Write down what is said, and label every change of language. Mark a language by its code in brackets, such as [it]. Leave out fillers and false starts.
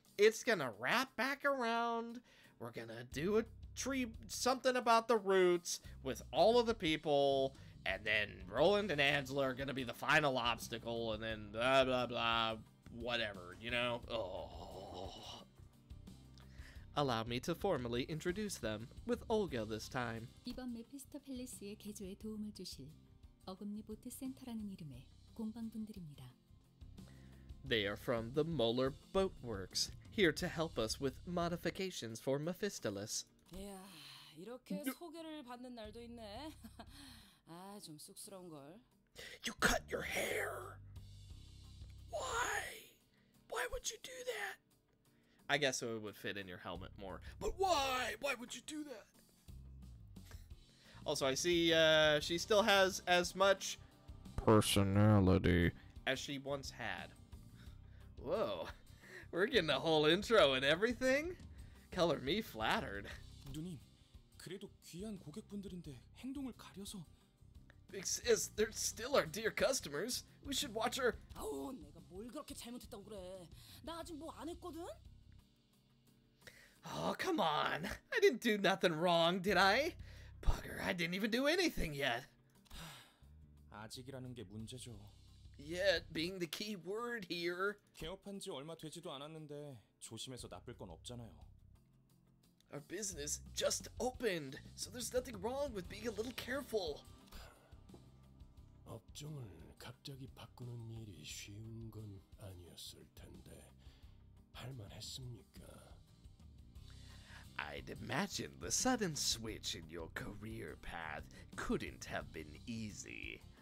[en] It's gonna wrap back around. We're gonna do a tree, something about the roots with all of the people. And then Roland and Angela are gonna be the final obstacle. And then blah, blah, blah, whatever, you know? Oh. Allow me to formally introduce them with Olga this time. [ko] 이번 메피스터 팰리스의 개조에 도움을 주실 어금니 보트 센터라는 이름의 공방분들입니다. [en] They are from the Molar Boat Works, here to help us with modifications for Mephistolus. [ko] Yeah, 이렇게 소개를 받는 날도 있네. 아, 좀 쑥스러운 걸. [en] You cut your hair. Why? Why would you do that? I guess it would fit in your helmet more. But why? Why would you do that? Also, I see she still has as much personality as she once had. Whoa, we're getting a whole intro and everything? Color me flattered. [ko] 누님, 그래도 귀한 고객분들인데 행동을 가려서... [en] Because they're still our dear customers. We should watch her... [ko] 아우, 내가 뭘 그렇게 잘못했다고 그래. 나 아직 뭐 안 했거든? [en] Oh, come on. I didn't do nothing wrong, did I? Bugger, I didn't even do anything yet. [ko] 아직이라는 게 문제죠. [en] Yet being the key word here. [ko] 개업한 지 얼마 되지도 않았는데 조심해서 나쁠 건 없잖아요. [en] Our business just opened, so there's nothing wrong with being a little careful. [ko] 업종을 갑자기 바꾸는 일이 쉬운 건 아니었을 텐데 할만 했습니까? [en] I'd imagine the sudden switch in your career path couldn't have been easy.